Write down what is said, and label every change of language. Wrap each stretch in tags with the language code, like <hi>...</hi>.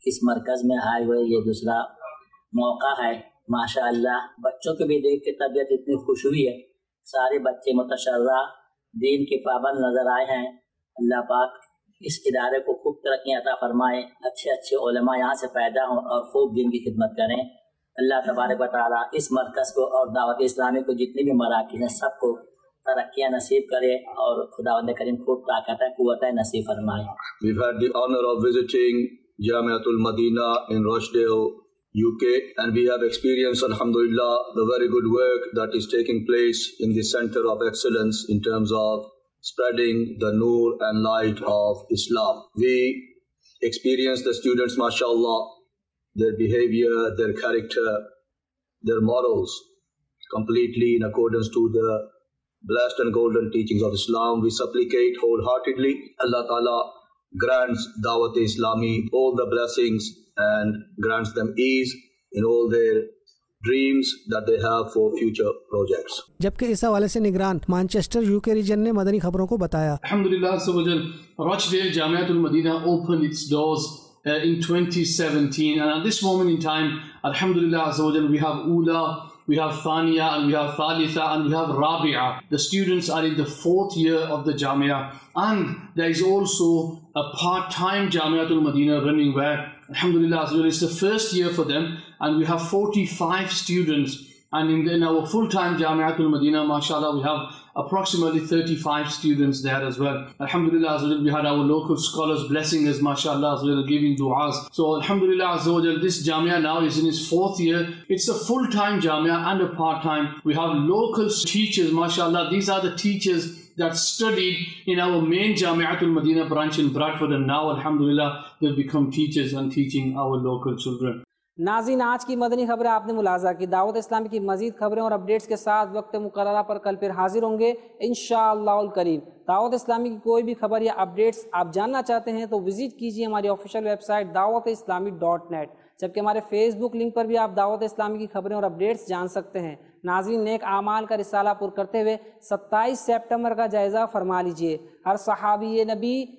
<ur>اس مرکز میں آئے ہوئے یہ دوسرا موقع ہے، ماشاء اللہ بچوں کو بھی دیکھ کے طبیعت اتنی خوش ہوئی ہے، سارے بچے متشرح دین کے پابند نظر آئے ہیں۔ اللہ پاک اس ادارے کو خوب ترقی عطا فرمائے، اچھے اچھے علماء یہاں سے پیدا ہوں اور خوب دین کی خدمت کریں۔ اللہ تبارک و تعالیٰ اس مرکز کو اور دعوت اسلامی کو جتنے بھی مراکز ہیں سب کو ترقیاں نصیب کرے اور خداوند کریم خوب طاقت ہے قوت ہے نصیب فرمائے۔</ur> <en>We've had the honor of visiting Jamiatul Madina in Rochdale, UK and we have experienced alhamdulillah the very good work that is taking place in the center of excellence in terms of spreading the noor and light of Islam. We experienced the students, mashallah, their behavior, their character, their morals, completely in accordance to the blessed and golden teachings of Islam. We supplicate wholeheartedly, Allah Ta'ala grants Dawat-e-Islami all the blessings and grants them ease in all their dreams that they have for future projects.</en> <ur>جبکہ اس حوالے سے نگران Manchester U کے region نے مدنی خبروں کو بتایا،</ur> <en>الحمدللہ سوجل Rochdale Jamiatul Madina open its doors in 2017 and at this moment in time alhamdulillah azawajal we have ula, we have thaniya and we have thalitha and we have rabi'a. The students are in the fourth year of the jamia and there is also a part time jamiatul madina running where alhamdulillah azawajal is the first year for them and we have 45 students and in our full time jamiatul madina mashallah we have approximately 35 students there as well. Alhamdulillah azza wa jalla, we had our local scholars blessing us, mashallah azza wa jalla, giving duas. So alhamdulillah azza wa jalla, this jamia now is in its fourth year. It's a full-time jamia and a part-time. We have local teachers, mashallah, these are the teachers that studied in our main Jamiatul Madina branch in Bradford and now alhamdulillah they've become teachers and teaching our local children.</en> <ur>ناظرین آج کی مدنی خبریں آپ نے ملاحظہ کی، دعوت اسلامی کی مزید خبریں اور اپڈیٹس کے ساتھ وقت مقررہ پر کل پھر حاضر ہوں گے انشاءاللہ الکریم۔ دعوت اسلامی کی کوئی بھی خبر یا اپڈیٹس آپ جاننا چاہتے ہیں تو وزٹ کیجیے ہماری آفیشیل ویب سائٹ dawatislami.net، جبکہ ہمارے فیس بک لنک پر بھی آپ دعوت اسلامی کی خبریں اور اپڈیٹس جان سکتے ہیں۔ ناظرین نیک اعمال کا رسالہ پر کرتے ہوئے 27 سپتمبر کا جائزہ فرما لیجیے، ہر صحابی نبی</ur>